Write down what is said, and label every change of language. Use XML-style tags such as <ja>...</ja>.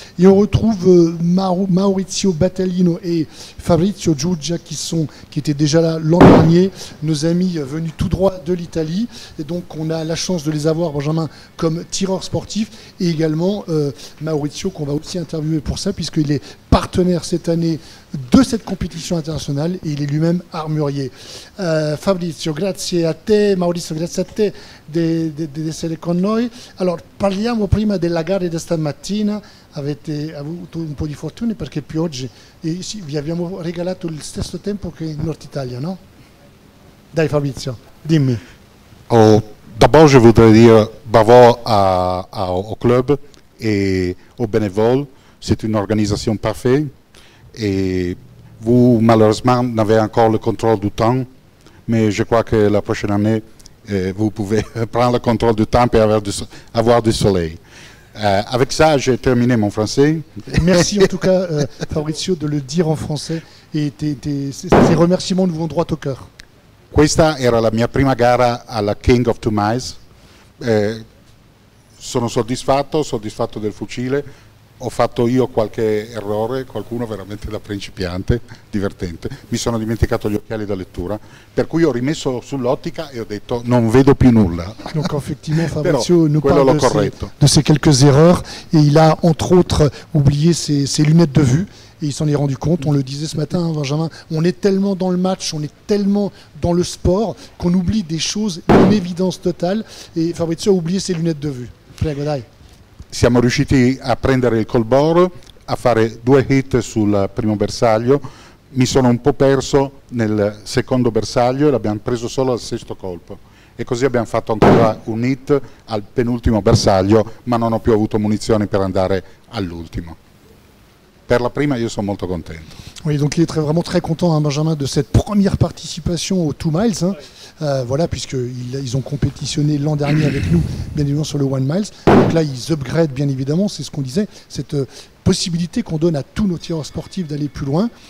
<fr>Et on retrouve Maurizio Battaglino et Fabrizio Giugia qui étaient déjà là l'an dernier, nos amis venus tout droit de l'Italie. Et donc on a la chance de les avoir, Benjamin, comme tireur sportif et également Maurizio qu'on va aussi interviewer pour ça puisqu'il est partenaire cette année de cette compétition internationale et il est lui-même armurier.</fr> <it>Fabrizio, grazie a te, Maurizio, grazie a te di essere con noi. Allora, parliamo prima della gara di stamattina. Avete avuto un po' di fortuna perché piogge e sì, vi abbiamo regalato il stesso tempo che in Nord Italia, no? Dai Fabrizio, dimmi.</it> <fr>Oh, d'abord je voudrais dire bravo au club e au bénévole. C'est une organisation parfaite et vous malheureusement n'avez encore le contrôle du temps, mais je crois que la prochaine année vous pouvez prendre le contrôle du temps et avoir du soleil. Avec ça, j'ai terminé mon français. Merci en tout cas Fabrizio de le dire en français et ces remerciements nous vont droit au cœur.</fr> <it>Questa era la mia prima gara alla King of Two Mice. Sono soddisfatto del fucile. Ho fatto io qualche errore, qualcuno veramente da principiante, divertente. Mi sono dimenticato gli occhiali da lettura, per cui ho rimesso sull'ottica e ho detto non vedo più nulla.</it> <fr>Donc effectivement Fabrizio nous parle de ces quelques erreurs et il a entre autres oublié ses lunettes de vue. Et il s'en est rendu compte, on le disait ce matin, hein, Benjamin, on est tellement dans le match, on est tellement dans le sport qu'on oublie des choses, une évidence totale. Et Fabrizio a oublié ses lunettes de vue.</fr> <it>Prego, dai. Siamo riusciti a prendere il colboro, a fare 2 hit sul primo bersaglio, mi sono un po' perso nel secondo bersaglio e l'abbiamo preso solo al sesto colpo. E così abbiamo fatto ancora un hit al penultimo bersaglio, ma non ho più avuto munizioni per andare all'ultimo. Per la prima io sono molto contento.</it> <fr>Oui, donc il est vraiment très content, hein, Benjamin, de cette première participation au Two Miles. Hein. Voilà, puisqu'ils ont compétitionné l'an dernier avec nous, bien évidemment, sur le One Miles. Donc là, ils upgradent, bien évidemment, c'est ce qu'on disait, cette possibilité qu'on donne à tous nos tireurs sportifs d'aller plus loin.</fr>